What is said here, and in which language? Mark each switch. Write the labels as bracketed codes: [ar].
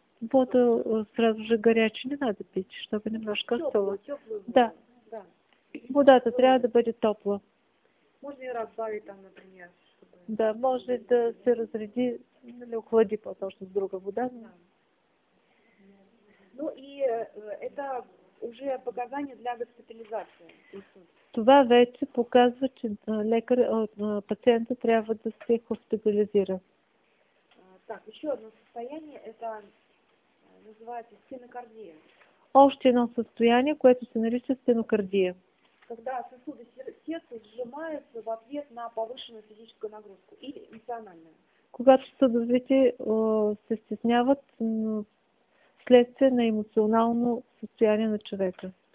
[ru] Вот сразу же горячий, не надо пить, чтобы немножко остыло. Да. [bg] Вода-то трябва да бъде топла. [ru] Можно и разбавить там, например. [bg] Да, може да се разреди, или охлади по-точно с друга вода. [ru] Ну и это уже показания для госпитализации. [bg] Това вече показва, че лекар, пациента трябва да се хоспитализира. [ru] Так, еще одно състояние, это называется стенокардия. [bg] Още едно състояние, което се нарича стенокардия. [ru] Когда сосуды сердца сжимаются в ответ на повышенную физическую нагрузку или эмоциональную. [bg] Когато съдовете се стесняват, следствие на емоционално състояние на човека.